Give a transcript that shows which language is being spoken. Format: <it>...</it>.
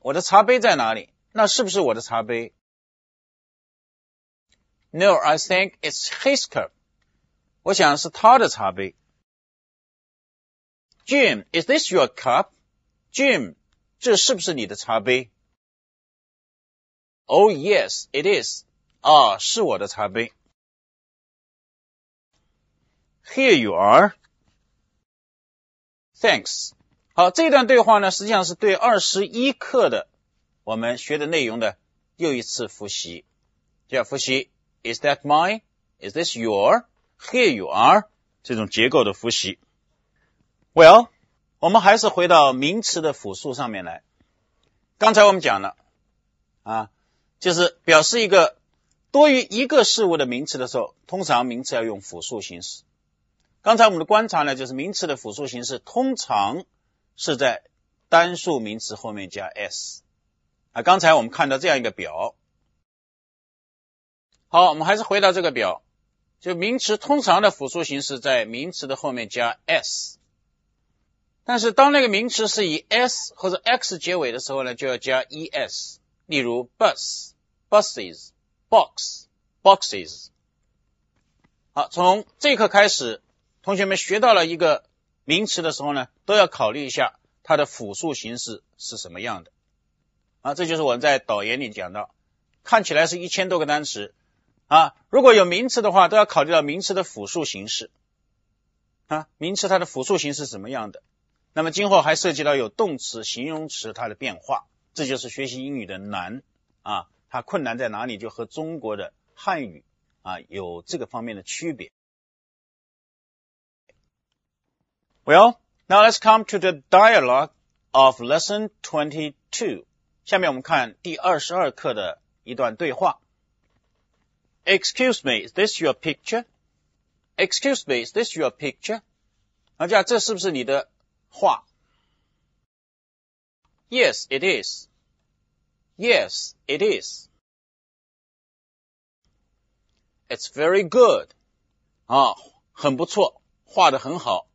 <zh>我的茶杯在哪里？那是不是我的茶杯？</zh> <en>No, I think it's his cup.</en> <zh>我想是他的茶杯。</zh> <en>Jim, is this your cup?</en> <zh>Jim, 这是不是你的茶杯？</zh> <en>Oh yes, it is.</en> <zh>啊，是我的茶杯。</zh> <en>Here you are. Thanks.</en> <zh>好，这段对话呢，实际上是对21课的我们学的内容的又一次复习。这样复习</zh> <en>Is that mine? Is this your? Here you are.</en> <zh>这种结构的复习。 Well, 我们还是回到名词的复数上面来。刚才我们讲了啊，就是表示一个多于一个事物的名词的时候，通常名词要用复数形式。刚才我们的观察呢，就是名词的复数形式通常是在单数名词后面加 s。啊，刚才我们看到这样一个表。好，我们还是回到这个表，就名词通常的复数形式在名词的后面加 s。但是当那个名词是以 s 或者 x 结尾的时候呢，就要加 es。例如 bus, buses, box, boxes。好，从这一课开始，同学们学到了一个名词的时候呢，都要考虑一下它的复数形式是什么样的。啊，这就是我们在导言里讲到，看起来是1000多个单词啊，如果有名词的话，都要考虑到名词的复数形式啊，名词它的复数形式是什么样的。那么今后还涉及到有动词、形容词它的变化。这就是学习英语的难啊，它困难在哪里，就和中国的汉语啊有这个方面的区别。</zh> <en>Well, now let's come to the dialogue of lesson 22.</en> <zh>下面我们看第22课的一段对话。</zh> <en>Excuse me, is this your picture? Excuse me, is this your picture?</en> <zh>啊，这样这是不是你的画？</zh> <en>Yes, it is. Yes, it is. It's very good.</en> <zh>啊，很不错，画得很好。</zh>